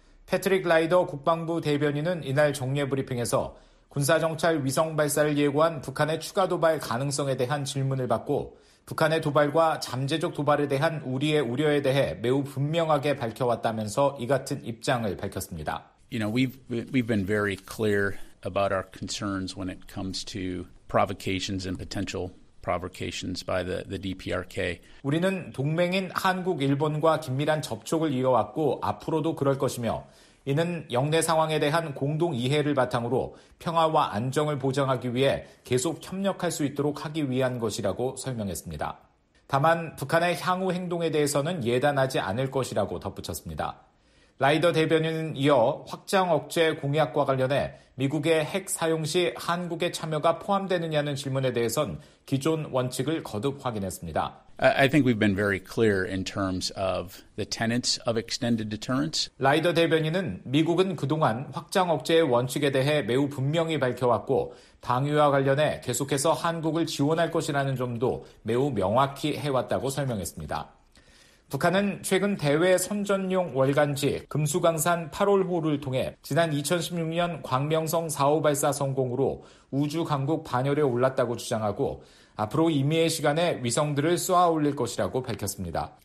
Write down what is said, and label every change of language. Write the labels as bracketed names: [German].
[Korean] 패트릭 라이더 국방부 대변인은 이날 정례 브리핑에서 군사정찰 위성 발사를 예고한 북한의 추가 도발 가능성에 대한 질문을 받고 북한의 도발과 잠재적 도발에 대한 우리의 우려에 대해 매우 분명하게 밝혀왔다면서 이 같은 입장을 밝혔습니다. [English] You know, we've been very clear about our concerns when it comes to provocations and potential provocations by the DPRK. [Korean] 우리는 동맹인 한국, 일본과 긴밀한 접촉을 이어왔고 앞으로도 그럴 것이며 이는 영내 상황에 대한 공동 이해를 바탕으로 평화와 안정을 보장하기 위해 계속 협력할 수 있도록 하기 위한 것이라고 설명했습니다. 다만 북한의 향후 행동에 대해서는 예단하지 않을 것이라고 덧붙였습니다. 라이더 대변인은 이어 확장 억제 공약과 관련해 미국의 핵 사용 시 한국의 참여가 포함되느냐는 질문에 대해선 기존 원칙을 거듭 확인했습니다. [English] I think we've been very clear in terms of the tenets of extended deterrence. [Korean] 라이더 대변인은 미국은 그동안 확장 억제의 원칙에 대해 매우 분명히 밝혀왔고 방위와 관련해 계속해서 한국을 지원할 것이라는 점도 매우 명확히 해왔다고 설명했습니다. 북한은 최근 대외 선전용 월간지 금수강산 8월호를 통해 지난 2016년 광명성 4호 발사 성공으로 우주 강국 반열에 올랐다고 주장하고 앞으로 임의의 시간에 위성들을 쏘아올릴 것이라고 밝혔습니다.